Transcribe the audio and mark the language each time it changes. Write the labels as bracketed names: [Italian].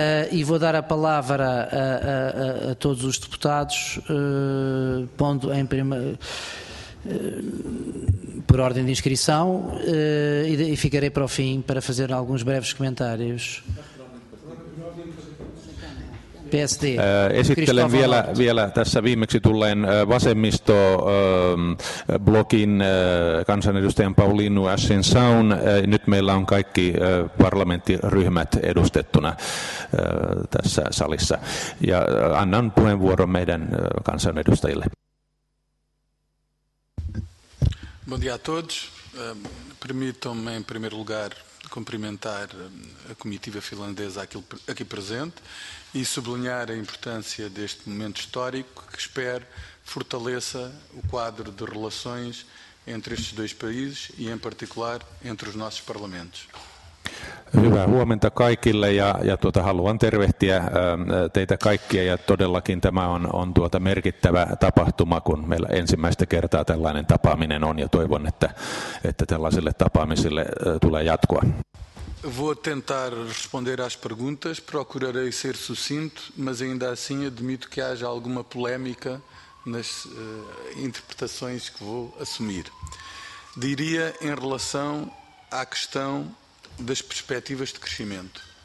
[Portuguese] E vou dar a palavra a todos os deputados, pondo em por ordem de inscrição, e ficarei para o fim para fazer alguns breves comentários. PSD. [Finnish] Esittelen vielä tässä viimeksi tulleen vasemmistoblogin kansanedustajan Pauliinu Ässin-Saun. Nyt meillä on kaikki parlamenttiryhmät edustettuna tässä salissa. Ja annan puheenvuoron meidän kansanedustajille. [Portuguese] Bom dia a todos. Permitam-me, em primeiro lugar, cumprimentar a comitiva finlandesa aqui presente e sublinhar a importância deste momento histórico que espero fortaleça o quadro de relações entre estes dois países e, em particular, entre os nossos parlamentos. [Finnish] Hyvää huomenta kaikille ja haluan tervehtiä teitä kaikkia ja todellakin tämä on merkittävä tapahtuma, kun meillä ensimmäistä kertaa tällainen tapaaminen on ja toivon, että tällaiselle tapaamiselle tulee jatkoa. [Portuguese] Vou tentar responder às perguntas, procurarei ser sucinto, mas ainda assim admito que haja alguma polémica nas interpretações que vou assumir. Diria em relação à questão das perspectivas de crescimento.